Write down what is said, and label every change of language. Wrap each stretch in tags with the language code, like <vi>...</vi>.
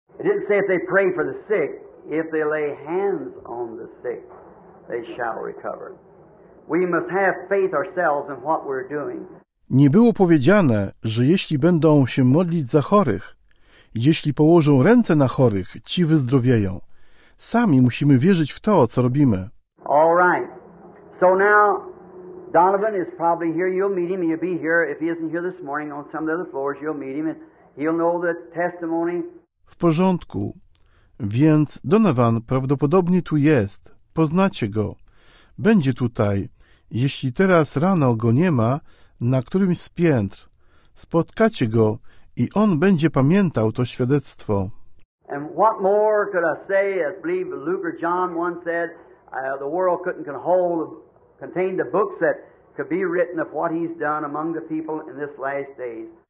<en>It didn't say if they pray for the sick, if they lay hands on the sick, they shall recover. We must have faith ourselves in what we're doing.</en> <pl>Nie było powiedziane, że jeśli będą się modlić za chorych, jeśli położą ręce na chorych, ci wyzdrowieją. Sami musimy wierzyć w to, co robimy.</pl> <en>All right. So now Donovan is probably here. You'll meet him. He'll be here. If he isn't here this morning on some of the other floors, you'll meet him and he'll know the testimony.</en> <pl>W porządku. Więc Donovan prawdopodobnie tu jest. Poznacie go. Będzie tutaj, jeśli teraz rano go nie ma, na którymś z piętr. Spotkacie go i on będzie pamiętał to świadectwo.</pl> <en>And what more could I say? I believe Luke or John once said, the world couldn't contain the books that could be written of what he's done among the people in this last days.</en>